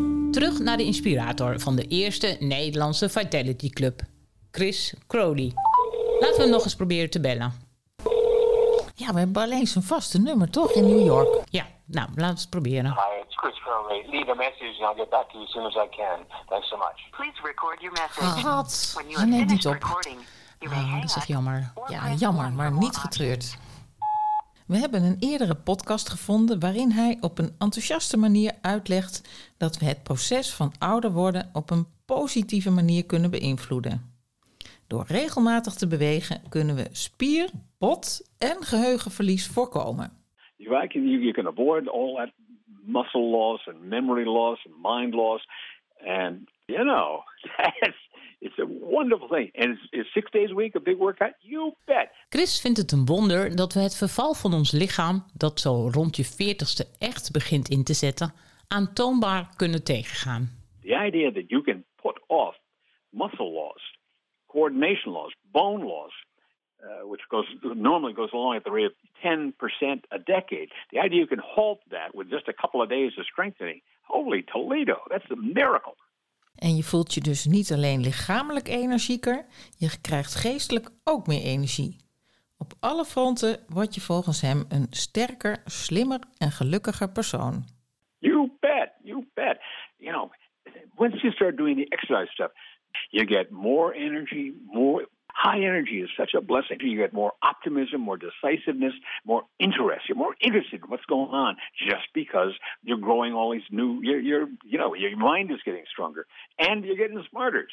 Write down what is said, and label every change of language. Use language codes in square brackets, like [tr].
[nl] Terug naar de inspirator van de eerste Nederlandse Vitality Club, Chris Crowley. Laten we hem nog eens proberen te bellen. Ja, we hebben alleen zijn vaste nummer, toch, in New York? Ja, nou, laten we het proberen. [en] Hi, it's Chris Crowley. Leave a message and I'll get back to you as soon as I can. Thanks so much. Please record your message. [nl] Wat? Je neemt niet op. Dat is echt jammer. Ja, jammer, maar niet getreurd. We hebben een eerdere podcast gevonden waarin hij op een enthousiaste manier uitlegt dat we het proces van ouder worden op een positieve manier kunnen beïnvloeden. Door regelmatig te bewegen kunnen we spier, bot en geheugenverlies voorkomen. [en] You can avoid all that muscle loss and memory loss and mind loss. And you know, it's a wonderful thing. And is 6 days a week a big workout? You bet. [nl] Chris vindt het een wonder dat we het verval van ons lichaam, dat zo rond je 40ste echt begint in te zetten, aantoonbaar kunnen tegengaan. [en] The idea that you can put off muscle loss, coordination loss, bone loss, which normally goes along at the rate of 10% a decade. The idea you can halt that with just a couple of days of strengthening. Holy Toledo, that's a miracle. [nl] En je voelt je dus niet alleen lichamelijk energieker, je krijgt geestelijk ook meer energie. Op alle fronten word je volgens hem een sterker, slimmer en gelukkiger persoon. [en] You bet, you bet. You know, once you start doing the exercise stuff, you get more energy, more High energy is such a blessing. You get more optimism, more decisiveness, more interest. You're more interested in what's going on just because you're growing all these new, your mind is getting stronger and you're getting smarter.